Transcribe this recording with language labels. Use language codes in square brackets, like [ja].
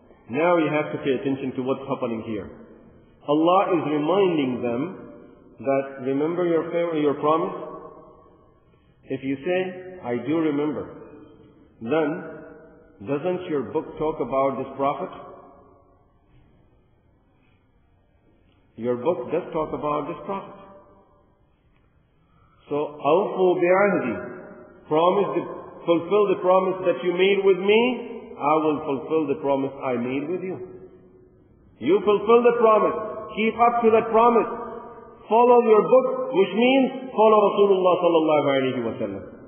[en] Now you have to pay attention to what's happening here. Allah is reminding them that remember your favor, your promise. If you say, I do remember, then doesn't your book talk about this prophet? Your book does talk about this prophet. [ar] So, أَوْفُوا بِعَهْدِي. [en] Fulfill the promise that you made with me, I will fulfill the promise I made with you. You fulfill the promise. Keep up to that promise. Follow your book, which means follow Rasulullah sallallahu alayhi wa sallam.